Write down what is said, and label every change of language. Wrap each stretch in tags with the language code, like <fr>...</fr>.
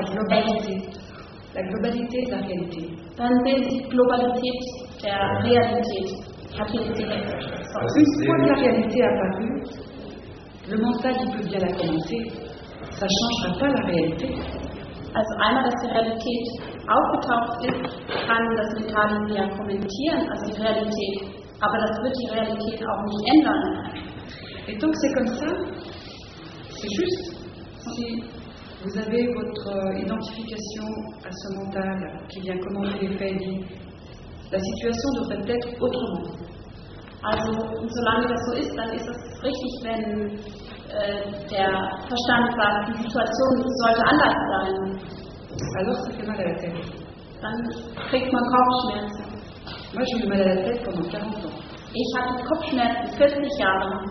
<fr>la globalité de la réalité.</fr> <de>Dann sehen Sie die Globalität der Realität.</de> <fr>Une fois que la réalité est apparue, le mental il peut bien la commenter. Ça ne changera pas la réalité.</fr> <de>Also einmal, dass die Realität aufgetaucht ist, kann das Mental ja kommentieren, also die Realität. Aber das wird die Realität auch nicht ändern.</de> <fr>Et donc c'est comme ça, c'est juste. Si vous avez votre identification à ce mental qui vient commenter les faits, dit, la situation devrait être autrement.</fr> <de>Also, solange das so ist, dann ist es richtig, wenn der Verstand sagt, die Situation sollte anders sein.</de> <fr>Alors, ça fait mal à la tête.</fr> <de>Dann kriegt man Kopfschmerzen.</de> <fr>Moi, j'ai eu mal à la tête pendant 40 ans.</fr> <de>Ich hatte Kopfschmerzen 40 Jahre.</de>